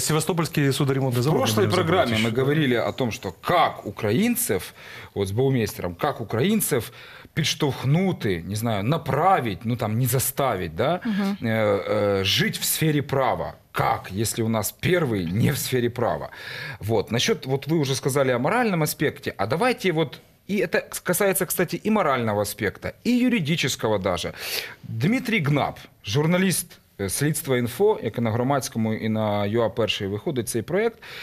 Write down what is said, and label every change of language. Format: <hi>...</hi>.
<uk>Севастопольський судоремонтний завод. В прошлій програмі ми говорили о тому, що як українців, от з Баумейстером,</uk> <ru>как украинцев</ru> <uk>підштовхнути, не знаю, направить, ну там</uk> <ru>не заставить, да, жить в сфере права. Как, если у нас первый не в сфере права? Вот. Насчет, вот вы уже сказали о моральном аспекте, а давайте вот, и это касается, кстати, и морального аспекта, и юридического даже.</ru> <uk>Дмитрий Гнаб, журналист Слідство інфо, яке на громадському і на ЮА перший виходить цей проект.</uk>